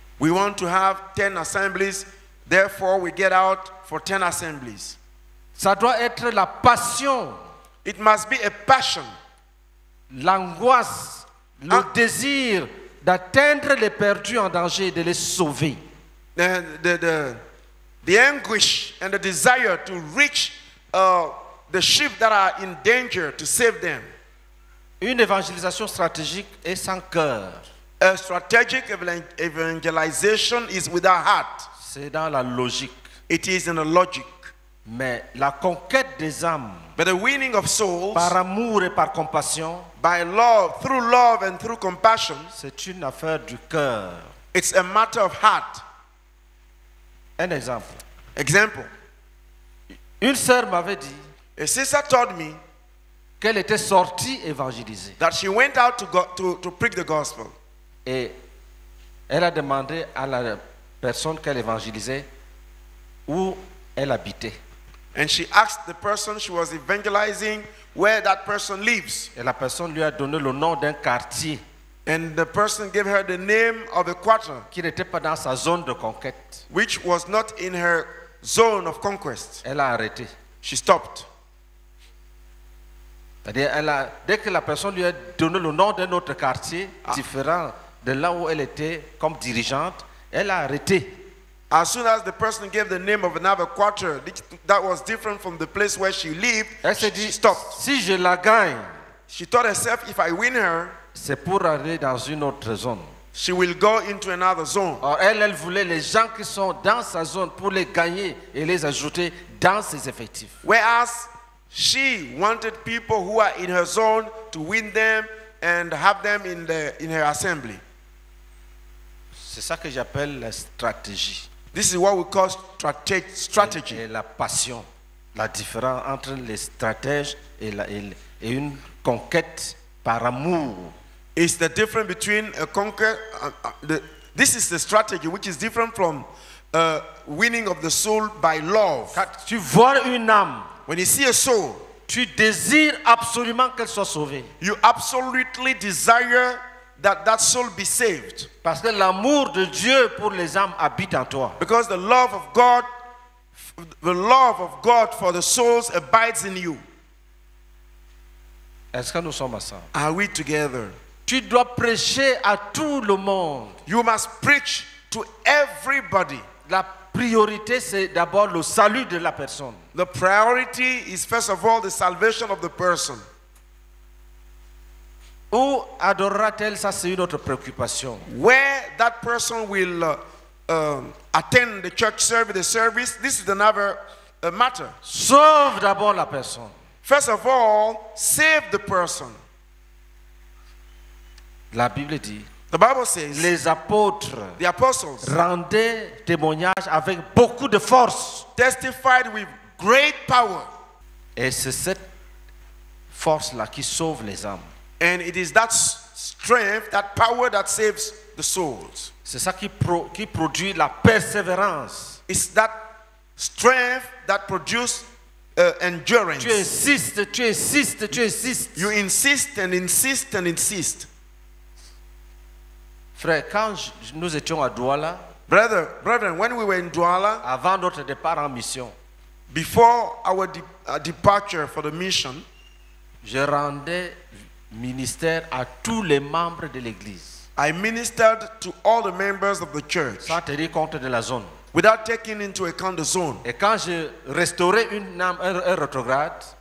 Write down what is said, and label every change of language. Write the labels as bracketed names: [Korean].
[English] We want to have 10 assemblies, therefore we get out for 10 assemblies. [French] Ça doit être la passion. [English] It must be a passion. [French] L'angoisse, le désir d'atteindre les perdus en danger, de les sauver. [English] The anguish and the desire to reach the sheep that are in danger, to save them. [French] Une évangélisation stratégique est sans cœur. [English] A strategic evangelization is without heart. [French] C'est dans la logique. [English] It is in the logic. [French] Mais la conquête des âmes. [English] But the winning of souls. [French] Par amour et par compassion. [English] By love, through love and through compassion. [French] C'est une affaire du cœur. [English] It's a matter of heart. [French] Un exemple. [English] Example. [French] Une sœur m'avait dit. [English] A sister told me. [French] Qu'elle était sortie évangéliser. [English] That she went out to preach the gospel. [French] Et elle a demandé à la personne qu'elle évangélisait où elle habitait. [English] And she asked the person she was evangelizing where that person lives. [French] Et la personne lui a donné le nom d'un quartier. [English] And the person gave her the name of a quarter. [French] Qui n'était pas dans sa zone de conquête. [English] Which was not in her zone of conquest. [French] Elle a arrêté. [English] She stopped. [French] C'est-à-dire, dès que la personne lui a donné le nom d'un autre quartier différent de là où elle était comme dirigeante, elle a arrêté. [English] As soon as the person gave the name of another quarter that was different from the place where she lived, [French] elle s'est dit, [English] she stopped. [French] Si je la gagne, [English] she told herself, if I win her, [French] c'est pour aller dans une autre zone. [English] She will go into another zone. [French] Or, elle voulait les gens qui sont dans sa zone pour les gagner et les ajouter dans ses effectifs. [English] Whereas she wanted people who are in her zone to win them and have them in her assembly. [French] C'est ça que j'appelle la stratégie. [English] This is what we call strategy. [French] Et la passion, la différence entre les stratèges et la et une conquête par amour. [English] It's the difference between a conquer. This is the strategy which is different from winning of the soul by love. [French] Quand tu vois une âme. [English] When you see a soul, [French] tu désires absolument qu'elle soit sauvée. [English] You absolutely desire that soul be saved. [French] Parce que l'amour de Dieu pour les âmes habite en toi. [English] Because the love of God for the souls abides in you. [French] Est-ce que nous sommes ensemble? [English] Are we together? [French] Tu dois prêcher à tout le monde. [English] You must preach to everybody. [French] La priorité, c'est d'abord le salut de la personne. [English] The priority is first of all the salvation of the person. [French] Où adorera-t-elle? Ça, c'est une autre préoccupation. [English] Where that person will attend the church service, the service, this is another matter. [French] Sauve d'abord la personne. [English] First of all, save the person. [French] La Bible dit. [English] The Bible says, [French] les apôtres, [English] the apostles, [French] rendaient témoignage avec beaucoup de force, [English] testified with great power. [French] Et c'est cette force là qui sauve les âmes. [English] And it is that strength, that power that saves the souls. [French] C'est ça qui produit la persévérance. [English] It's that strength that produces endurance. [French] Tu insistes, tu insistes, tu insistes. [English] You insist and insist and insist. [French] Frère, quand nous étions à Douala, [English] brethren, when we were in Douala, [French] avant notre départ en mission, [English] before our departure for the mission, [French] je rendais ministère à tous les membres de l'église. [English] I ministered to all the members of the church. [French] Sans tenir compte de la zone. [English] Without taking into account the zone. [French] Et quand je restaurais une âme, un rétrograde,